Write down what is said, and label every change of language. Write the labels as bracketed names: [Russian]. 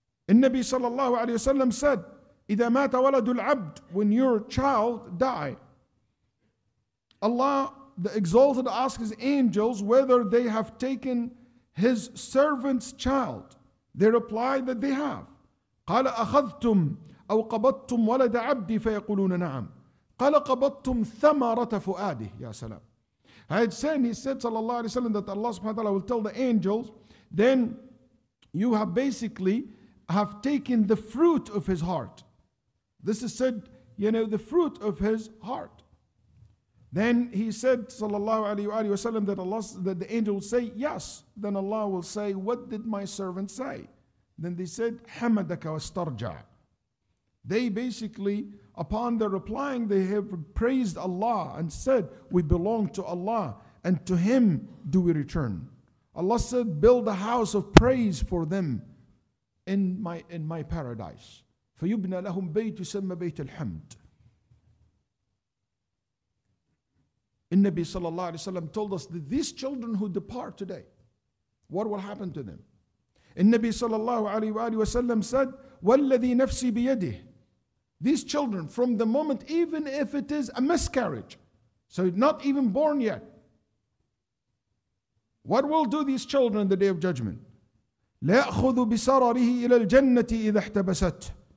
[Arabic] النبي صلى الله عليه وسلم [English] said, [Arabic] إذا مات ولد العبد, [English] when your child die, Allah, the exalted, asks his angels whether they have taken his servant's child. They replied that they have. [Arabic] قال أخذتم أو قبضتم ولد عبدي فيقولون نعم. قال قبضتم ثمرة فؤاده. يا سلام. [English] He said صلى الله عليه وسلم that Allah subhanahu wa ta'ala will tell the angels, then you have basically have taken the fruit of his heart. This is said, you know, the fruit of his heart. Then he said, sallallahu alayhi wa sallam, that the angel will say, yes. Then Allah will say, what did my servant say? Then they said, [Arabic] hamadaka wa starja. [English] They basically Upon their replying, they have praised Allah and said, "We belong to Allah, and to Him do we return." Allah said, "Build a house of praise for them in my paradise." [Arabic] فَيُبْنَى لَهُمْ بَيْتُ يُسَمَّ بَيْتَ الْحَمْدِ. النبي صلى الله عليه وسلم [English] told us that these children who depart today, what will happen to them? [Arabic] النبي صلى الله عليه وسلم [English] said, [Arabic] وَالَّذِي نَفْسِي بِيَدِهِ. [English] These children, from the moment, even if it is a miscarriage, so not even born yet, what will do these children on the Day of Judgment? [Arabic] لَيَأْخُذُ بِسَرَرِهِ إِلَى الْجَنَّةِ إِذَا احْتَبَسَتْ.